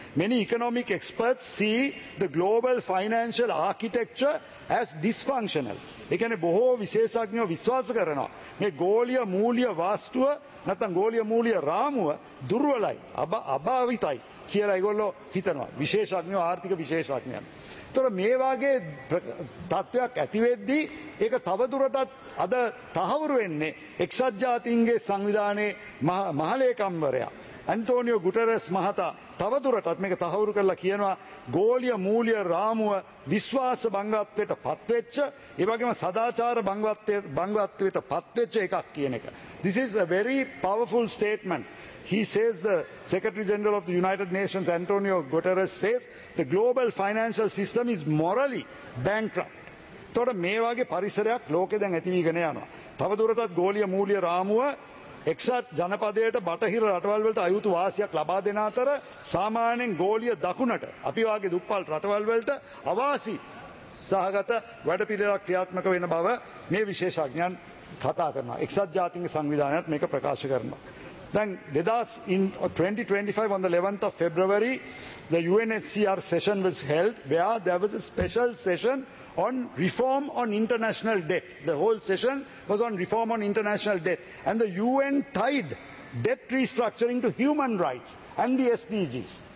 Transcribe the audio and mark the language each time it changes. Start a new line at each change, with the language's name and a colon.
English: Many economic experts see the global financial architecture as dysfunctional.
Sinhala: ඒ කියන්නේ බොහෝ විශේෂඥයෝ විශ්වාස කරනවා මේ ගෝලීය මූල්‍ය වාස්තුව නැත්නම් ගෝලීය මූල්‍ය රාමුව දුර්වලයි අභාවිතයි කියලා ඒගොල්ලෝ හිතනවා. විශේෂඥයෝ ආර්ථික විශේෂඥයන්. තොර මේ වාගේ තත්ත්වයක් ඇති වෙද්දී ඒක තවදුරටත් අද තහවුරු වෙන්නේ එක්සත් ජාතීන්ගේ සංවිධානයේ මහලේකම්වරයා ඇන්ටෝනියෝ ගුටරස් මහතා තවදුරටත් මේක තහවුරු කරලා කියනවා ගෝලීය මූල්‍ය රාමුව විශ්වාස භංගත්වයට පත්වෙච්ච ඒ වගේම සදාචාර භංගත්වයට පත්වෙච්ච එකක් කියන එක.
English: This is a very powerful statement. He says the Secretary General of the United Nations, Antonio Guterres, says the global financial system is morally bankrupt.
Sinhala: තොර මේ වාගේ පරිසරයක් ලෝකේ දැන් ඇතිවීගෙන යනවා. තවදුරටත් ගෝලීය මූල්‍ය රාමුව එක්සත් ජනපදයට බටහිර රටවල් වලට අයුතු වාසියක් ලබා දෙන අතර සාමාන්‍යයෙන් ගෝලීය දකුණට අපි වාගේ දුප්පත් රටවල් වලට අවාසි සහගත වැඩපිළිවෙළක් ක්‍රියාත්මක වෙන බව මේ විශේෂඥයන් කතා කරනවා. එක්සත් ජාතීන්ගේ සංවිධානයත් මේක ප්‍රකාශ කරනවා.
English: Then, in 2025, on the 11th of February, the UNHCR session was held where there was a special session on reform on international debt. The whole session was on reform on international debt. And the UN tied debt restructuring to human rights and the SDGs.